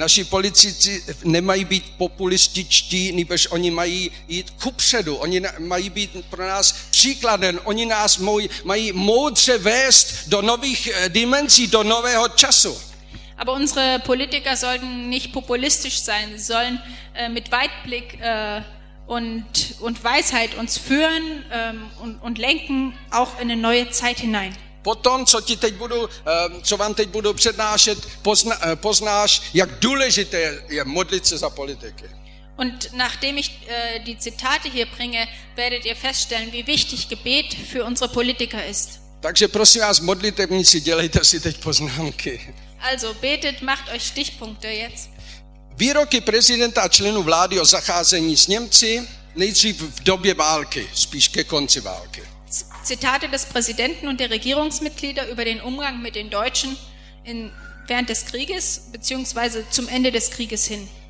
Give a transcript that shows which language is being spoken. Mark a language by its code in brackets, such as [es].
[cs] Naši politici nemají být populističtí, nebož oni mají jít kupředu, oni mají být pro nás příkladem, oni nás mají moudře vést do nových dimenzí, do nového času. [de] Aber unsere Politiker sollten nicht populistisch sein, sie sollen mit Weitblick und Weisheit uns führen und lenken auch in eine neue Zeit hinein. [cs] Potom, co vám teď budu přednášet, poznáš, jak důležité je modlit se za politiky. [de] Und nachdem ich die Zitate hier bringe, werdet ihr feststellen, wie wichtig Gebet für unsere Politiker ist. [cs] Takže prosím vás, modlitevníci, dělejte si teď poznámky. [de] Also betet, macht euch Stichpunkte jetzt. [cs] Výroky prezidenta a členů vlády o zacházení s Němci, nejdřív v době války, spíš ke konci války. [de] Zitate des Präsidenten und der Regierungsmitglieder über den Umgang mit den Deutschen während des Krieges bzw. zum Ende des Krieges hin.